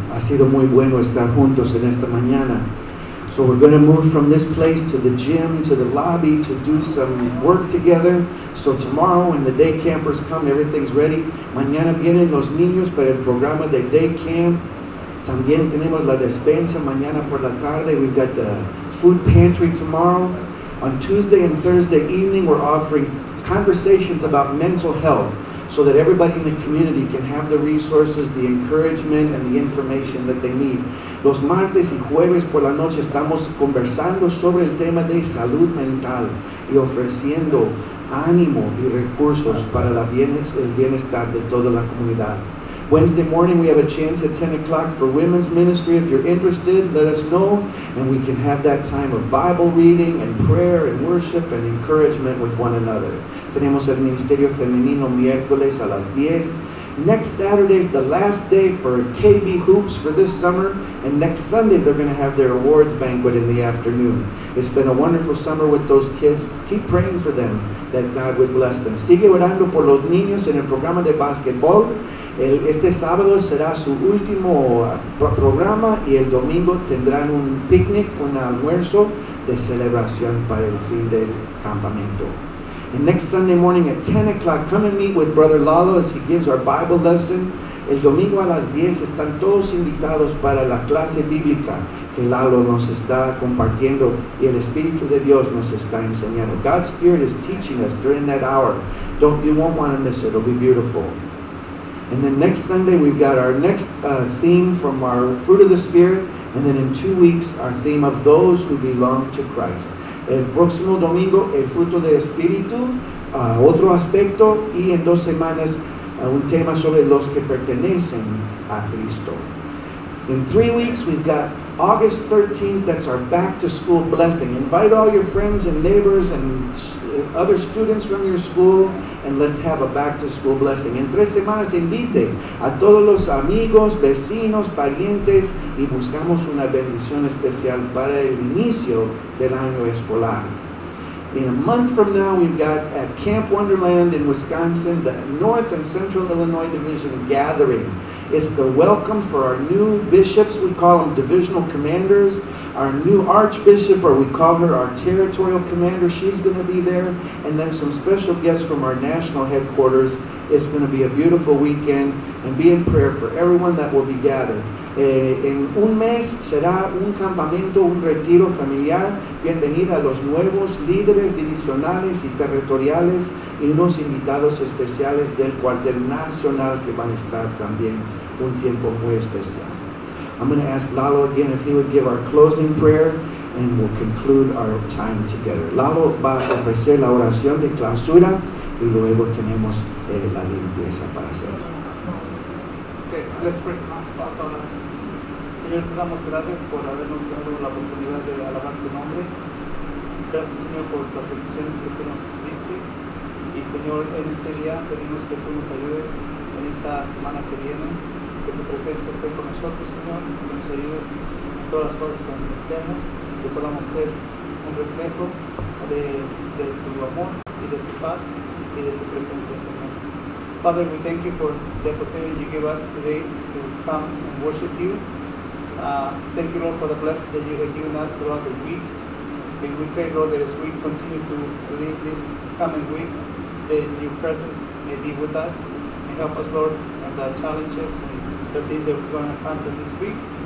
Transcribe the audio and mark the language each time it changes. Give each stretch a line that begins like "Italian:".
Spanish: Ha sido muy bueno estar juntos en esta mañana.
English: So we're going to move from this place to the gym, to the lobby, to do some work together. So tomorrow when the day campers come, everything's ready.
Spanish: Mañana vienen los niños para el programa de day camp. También tenemos la despensa mañana por la tarde.
English: We've got the food pantry tomorrow. On Tuesday and Thursday evening, we're offering conversations about mental health, so that everybody in the community can have the resources, the encouragement, and the information that they need.
Spanish: Los martes y jueves por la noche estamos conversando sobre el tema de salud mental y ofreciendo ánimo y recursos para el bienestar de toda la comunidad.
English: Wednesday morning, we have a chance at 10 o'clock for women's ministry. If you're interested, let us know, and we can have that time of Bible reading and prayer and worship and encouragement with one another.
Spanish: Tenemos el Ministerio Femenino miércoles a las 10.
English: Next Saturday is the last day for KB Hoops for this summer, and next Sunday they're going to have their awards banquet in the afternoon. It's been a wonderful summer with those kids. Keep praying for them, that God would bless them.
Spanish: Sigue orando por los niños en el programa de basketball. Este sábado será su último programa, y el domingo tendrán un picnic, un almuerzo de celebración para el fin del campamento.
English: And next Sunday morning at 10 o'clock, come and meet with Brother Lalo as he gives our Bible lesson.
Spanish: El domingo a las 10 están todos invitados para la clase bíblica que Lalo nos está compartiendo y el Espíritu de Dios nos está enseñando.
English: God's Spirit is teaching us during that hour. You won't want to miss it. It'll be beautiful. And then next Sunday, we've got our next theme from our Fruit of the Spirit. And then in 2 weeks, our theme of those who belong to Christ.
Spanish: El próximo domingo, el fruto del Espíritu, otro aspecto, y en 2 semanas, un tema sobre los que pertenecen a Cristo.
English: In 3 weeks, we've got August 13th, that's our back-to-school blessing. Invite all your friends and neighbors and other students from your school, and let's have a back-to-school blessing.
Spanish: En 3 semanas, invite a todos los amigos, vecinos, parientes, y buscamos una bendición especial para el inicio del año escolar.
English: In a month from now, we've got at Camp Wonderland in Wisconsin, the North and Central Illinois Division gathering. It's the welcome for our new bishops, we call them divisional commanders, our new archbishop, or we call her our territorial commander, she's going to be there, and then some special guests from our national headquarters. It's going to be a beautiful weekend, and be in prayer for everyone that will be gathered.
Spanish: En un mes será un campamento, un retiro familiar. Bienvenida a los nuevos líderes divisionales y territoriales y unos invitados especiales del cuartel nacional que van a estar también un tiempo muy especial.
English: I'm going to ask Lalo again if he would give our closing prayer and we'll conclude our time together.
Spanish: Lalo va a ofrecer la oración de clausura y luego tenemos la limpieza para hacer.
English: Let's pray.
Spanish: Vamos a orar. Señor, te damos gracias por habernos dado la oportunidad de alabar tu nombre. Gracias, Señor, por las bendiciones que tú nos diste. Y Señor, en este día pedimos que tú nos ayudes en esta semana que viene, que tu presencia esté con nosotros, Señor, y que nos ayudes en todas las cosas que enfrentemos, que podamos ser un reflejo de tu amor y de tu paz y de tu presencia, Señor.
English: Father, we thank you for the opportunity you give us today to come and worship you. Thank you, Lord, for the blessing that you have given us throughout the week. And we pray, Lord, that as we continue to live this coming week, that your presence may be with us and help us, Lord, and the challenges and the things that we're going to encounter this week.